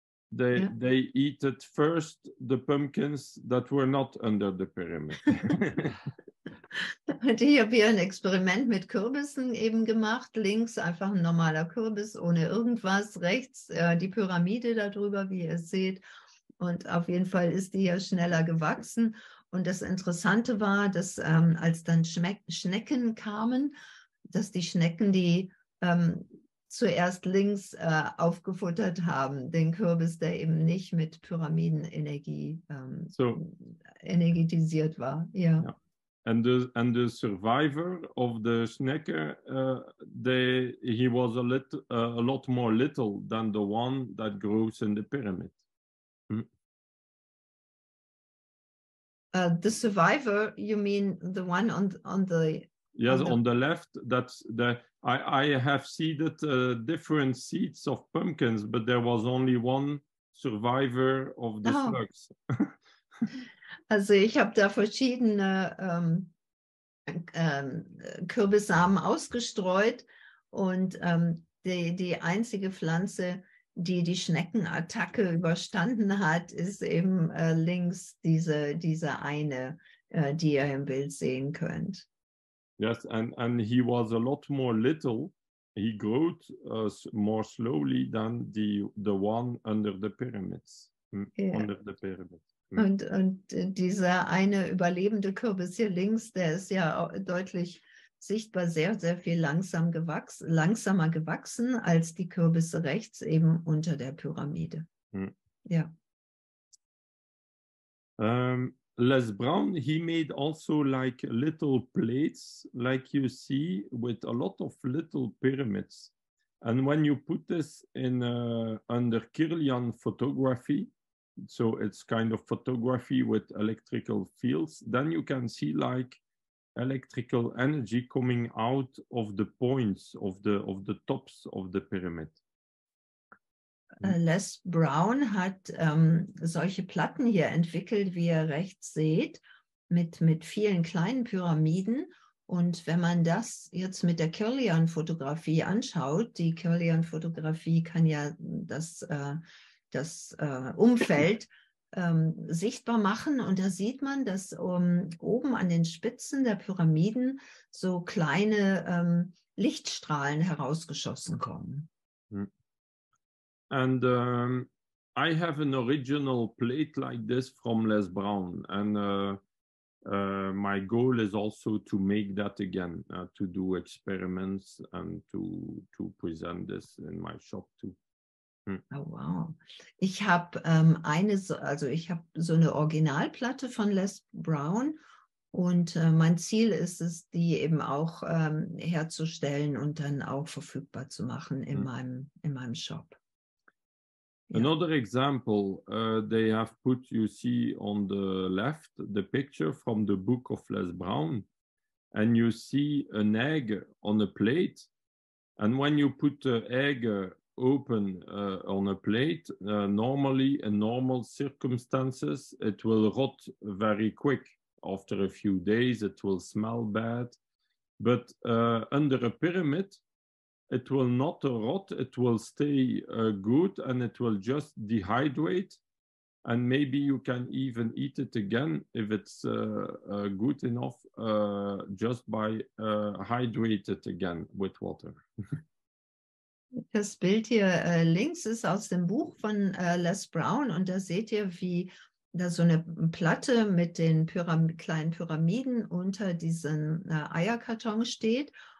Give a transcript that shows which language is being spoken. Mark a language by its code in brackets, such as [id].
[en] They eat it first, the pumpkins that were not under the pyramid. [de] Die haben hier ein Experiment mit Kürbissen eben gemacht. Links einfach ein normaler Kürbis ohne irgendwas. Rechts die Pyramide darüber, wie ihr seht. Und auf jeden Fall ist die ja schneller gewachsen. Und das Interessante war, dass als dann Schnecken kamen, dass die Schnecken, die zuerst links aufgefuttert haben, den Kürbis, der eben nicht mit Pyramidenenergie energetisiert war. Ja. [en] And the survivor of the Schnecke, he was a lot more little than the one that grows in the pyramid. Hm? The survivor, you mean the one on the Yes, on the left, that's the I have seeded different seeds of pumpkins, but there was only one survivor of the slugs. [de] Also ich habe da verschiedene Kürbissamen ausgestreut, und die einzige Pflanze, die Schneckenattacke überstanden hat, ist eben links diese eine, die ihr im Bild sehen könnt. [en] Yes, and he was a lot more little. He grew more slowly than the one under the pyramids. Yeah. Under the pyramids. [de] Und dieser eine überlebende Kürbis hier links, der ist ja deutlich sichtbar sehr, sehr viel langsamer gewachsen als die Kürbisse rechts eben unter der Pyramide. Hm. Ja. [en] Les Brown, he made also like little plates, like you see, with a lot of little pyramids. And when you put this in under Kirlian photography, so it's kind of photography with electrical fields, then you can see like electrical energy coming out of the points of the tops of the pyramid. [de] Les Brown hat solche Platten hier entwickelt, wie ihr rechts seht, mit vielen kleinen Pyramiden. Und wenn man das jetzt mit der Kirlian-Fotografie anschaut, die Kirlian-Fotografie kann ja das Umfeld sichtbar machen. Und da sieht man, dass oben an den Spitzen der Pyramiden so kleine Lichtstrahlen herausgeschossen kommen. [en] And I have an original plate like this from Les Brown. And my goal is also to make that again, to do experiments and to present this in my shop too. Hm. Oh wow. [de] Ich habe ich habe so eine Originalplatte von Les Brown und mein Ziel ist es, die eben auch herzustellen und dann auch verfügbar zu machen in meinem Shop. [en] Another example they have put, you see on the left, the picture from the book of Les Brown, and you see an egg on a plate, and when you put the egg open on a plate, normally in normal circumstances, it will rot very quick. After a few days, it will smell bad, but under a pyramid, it will not rot, it will stay good, and it will just dehydrate. And maybe you can even eat it again if it's good enough, just by hydrate it again with water. [de] Das Bild hier links ist aus dem Buch von Les Brown. Und da seht ihr, wie da so eine Platte mit den kleinen Pyramiden unter diesen Eierkarton steht.